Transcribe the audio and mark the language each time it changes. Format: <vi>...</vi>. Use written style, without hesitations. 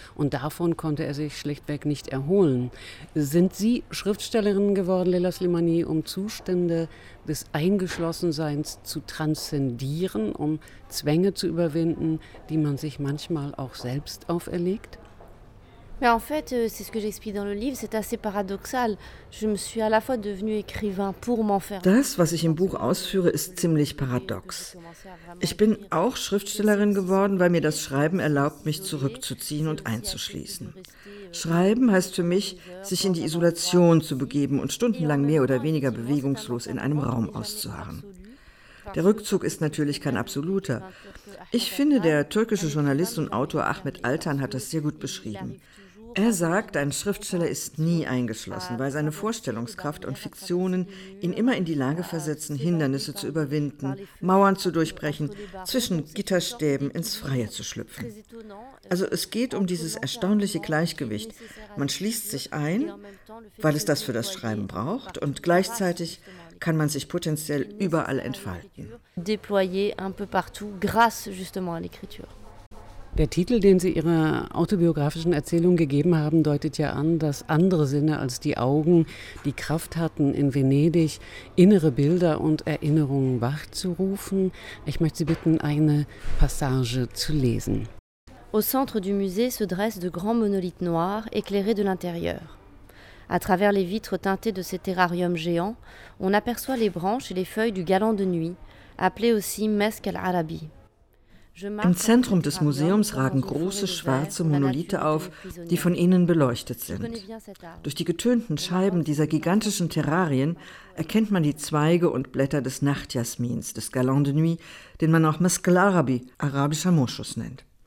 <de>Und davon konnte er sich schlichtweg nicht erholen. Sind Sie Schriftstellerin geworden, Leyla Slimani, um Zustände des Eingeschlossenseins zu transzendieren, um Zwänge zu überwinden, die man sich manchmal auch selbst auferlegt?</de> <fr>Mais en fait, c'est ce que j'explique dans le livre, c'est assez paradoxal. Je me suis à la fois devenue écrivain pour m'enfermer.</fr> <de>Das, was ich im Buch ausführe, ist ziemlich paradox. Ich bin auch Schriftstellerin geworden, weil mir das Schreiben erlaubt, mich zurückzuziehen und einzuschließen. Schreiben heißt für mich, sich in die Isolation zu begeben und stundenlang mehr oder weniger bewegungslos in einem Raum auszuharren. Der Rückzug ist natürlich kein absoluter. Ich finde, der türkische Journalist und Autor Ahmet Altan hat das sehr gut beschrieben. Er sagt, ein Schriftsteller ist nie eingeschlossen, weil seine Vorstellungskraft und Fiktionen ihn immer in die Lage versetzen, Hindernisse zu überwinden, Mauern zu durchbrechen, zwischen Gitterstäben ins Freie zu schlüpfen. Also es geht um dieses erstaunliche Gleichgewicht. Man schließt sich ein, weil es das für das Schreiben braucht, und gleichzeitig kann man sich potenziell überall entfalten.</de> <fr>Déployer un peu partout, grâce justement à l'écriture.</fr> <de>Der Titel, den Sie Ihrer autobiografischen Erzählung gegeben haben, deutet ja an, dass andere Sinne als die Augen die Kraft hatten, in Venedig innere Bilder und Erinnerungen wachzurufen. Ich möchte Sie bitten, eine Passage zu lesen.</de> <fr>Au centre du musée se dressent de grands monolithes noirs, éclairés de l'intérieur. À travers les vitres teintées de ces terrariums géants, on aperçoit les branches et les feuilles du galant de nuit, appelé aussi Mesk al-Arabi.</fr> <de>Im Zentrum des Museums ragen große schwarze Monolithe auf, die von innen beleuchtet sind. Durch die getönten Scheiben dieser gigantischen Terrarien erkennt man die Zweige und Blätter des Nachtjasmins, des Galant de Nuit, den man auch Mesk al-Arabi, arabischer Moschus, nennt.</de>